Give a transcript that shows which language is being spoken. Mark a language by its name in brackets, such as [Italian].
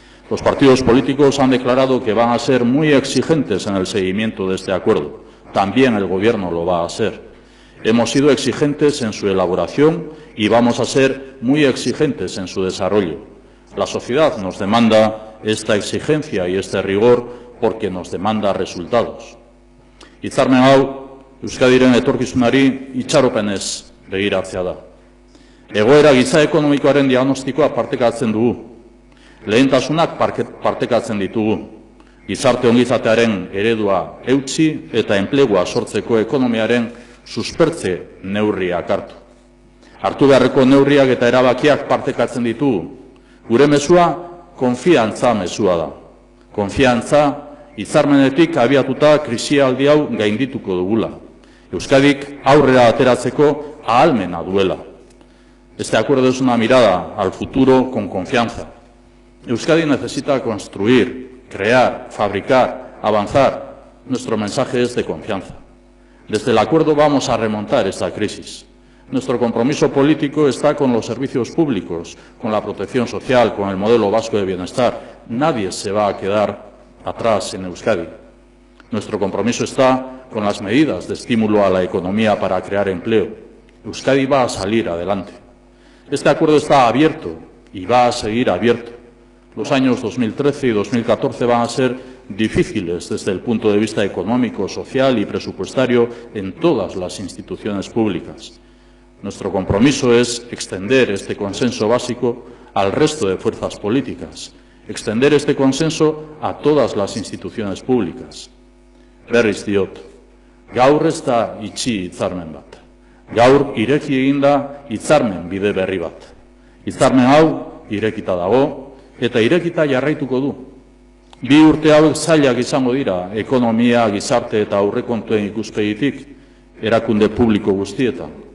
[Spanish] Los partidos políticos han declarado que van a ser muy exigentes en el seguimiento de este acuerdo. También el Gobierno lo va a ser. Hemos sido exigentes en su elaboración y vamos a ser muy exigentes en su desarrollo. La sociedad nos demanda esta exigencia y este rigor porque nos demanda resultados. [Basque] Hitzarmen hau, Euskadiren etorkizunari itxaropenez begiratzea da. Egoera giza ekonomikoaren diagnostikoa partekatzen dugu. Lehentasunak partekatzen ditugu. gizarte ongizatearen eredua eutsi eta enplegua sortzeko ekonomiaren suspertze neurriak hartu. Hartu beharreko neurriak eta erabakiak partekatzen ditugu. Gure mezua, konfiantza mezua da. Konfiantza, hitzarmenetik abiatuta krisialdi hau gaindituko dugula. Euskadik aurrera ateratzeko ahalmena duela. [Spanish] Este acuerdo es una mirada al futuro con confianza. Euskadi necesita construir, crear, fabricar, avanzar. Nuestro mensaje es de confianza. Desde el acuerdo vamos a remontar esta crisis. Nuestro compromiso político está con los servicios públicos, con la protección social, con el modelo vasco de bienestar. Nadie se va a quedar atrás en Euskadi. Nuestro compromiso está con las medidas de estímulo a la economía para crear empleo. Euskadi va a salir adelante. Este acuerdo está abierto y va a seguir abierto. Los años 2013 y 2014 van a ser difíciles desde el punto de vista económico, social y presupuestario en todas las instituciones públicas. Nuestro compromiso es extender este consenso básico al resto de fuerzas políticas, extender este consenso a todas las instituciones públicas. [Basque] Berriz diot, gaur ez da itxi hitzarmen bat. Gaur ireki eginda hitzarmen bide berri bat. Hitzarmen hau irekita dago eta irekita jarraituko du. Bi urte hauek zailak izango dira ekonomia, gizarte eta aurrekontuen ikuspegitik erakunde publiko guztietan.